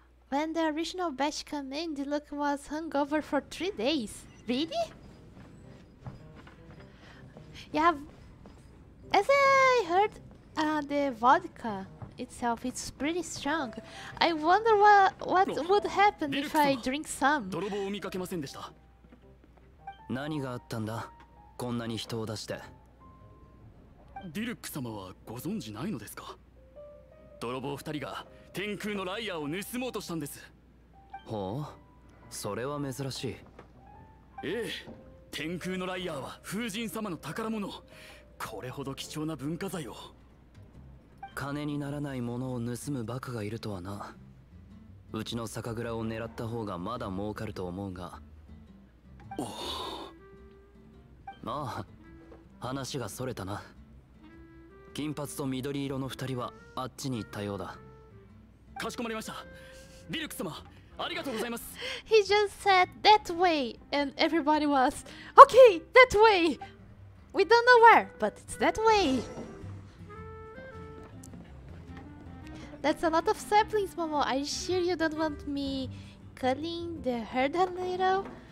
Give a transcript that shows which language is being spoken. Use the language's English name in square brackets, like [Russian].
[English] When the original batch came in, the look was hungover for 3 days. Really? Yeah, as I heard, the vodka itself is pretty strong. I wonder what would happen if I drink some. [Japanese] 泥棒を見かけませんでした。何があったんだ、こんなに人を出して。ディルック様はご存知ないのですか。泥棒二人が天空のライアーを盗もうとしたんです。ほう、それは珍しい。ええ。天空のライヤーは風神様の宝物。これほど貴重な文化財を。金にならないものを盗むバカがいるとはな。うちの酒蔵を狙った方がまだ儲かると思うが。おお。まあ、話がそれたな。金髪と緑色の二人はあっちに行ったようだ。かしこまりました。ビルク様。ありがとうございます。 [English] He just said that way, and everybody was okay. That way. We don't know where, but it's that way. That's a lot of saplings, Momo. Are you sure you don't want me cutting the herd a little?